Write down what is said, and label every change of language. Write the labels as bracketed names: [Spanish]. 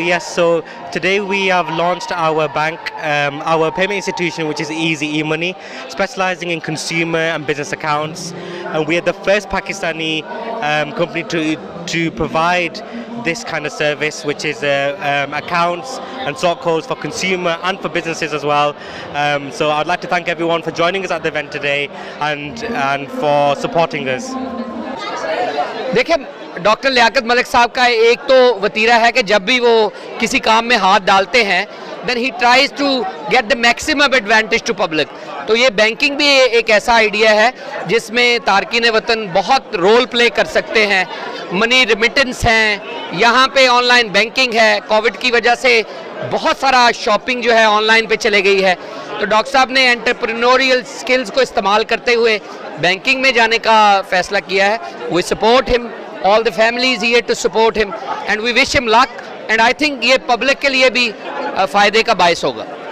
[English] Yes, so today we have launched our bank, our payment institution, which is Easy E-Money, specializing in consumer and business accounts, and we are the first Pakistani company to provide this kind of service, which is accounts and sort codes for consumer and for businesses as well. So I'd like to thank everyone for joining us at the event today and for supporting us. [Urdu] Dekhen. Doctor لیاقت ملک صاحب کا ایک تو وتیرہ ہے کہ جب بھی وہ کسی کام میں ہاتھ ڈالتے ہیں [English] Then he tries to get the maximum advantage to public. [Urdu] تو یہ بینکنگ بھی ایک ایسا آئیڈیا ہے جس میں تارکین وطن بہت رول پلے کر سکتے ہیں. منی ریمیٹنس ہیں, یہاں پہ آن لائن بینکنگ ہے, کووڈ کی وجہ سے بہت سارا شاپنگ جو ہے آن لائن پہ چلے گئی ہے. تو ڈاکٹر صاحب نے انٹرپرینوریل سکلز کو استعمال کرتے ہوئے بینکنگ میں جانے کا فیصلہ کیا ہے. [English] we support him, all the families here to support him, and we wish him luck, and I think [Urdu] ye public ke liye bhi fayde ka bias hoga.